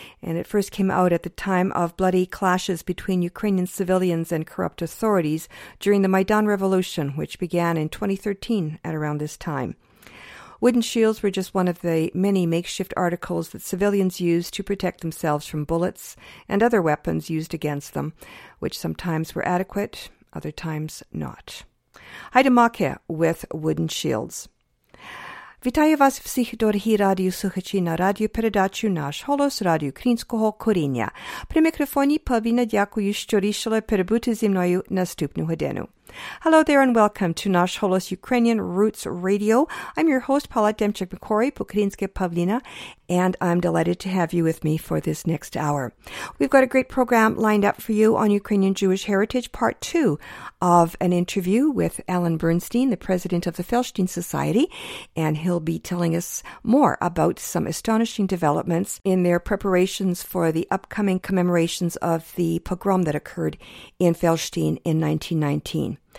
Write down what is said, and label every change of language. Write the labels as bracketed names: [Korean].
[English] And it first came out at the time of bloody clashes between Ukrainian civilians and corrupt authorities during the Maidan Revolution, which began in 2013 at around this time. Wooden shields were just one of the many makeshift articles that civilians used to protect themselves from bullets and other weapons used against them, which sometimes were adequate, other times not. Haidamake with Wooden Shields. [Ukrainian] Вітаю вас всіх, дорогі радіослухачі, на радіопередачу «Наш голос» радіо Українського коріння. При мікрофоні Павіна, дякую, що рішили перебути зі мною наступну годину. [English] Hello there and welcome to Nash Holos Ukrainian Roots Radio. I'm your host, Paula Demchuk-Mikori, Pukrinske Pavlina, and I'm delighted to have you with me for this next hour. We've got a great program lined up for you on Ukrainian Jewish Heritage, part two of an interview with Alan Bernstein, the president of the Felstein Society, and he'll be telling us more about some astonishing developments in their preparations for the upcoming commemorations of the pogrom that occurred in Felstein in 1919.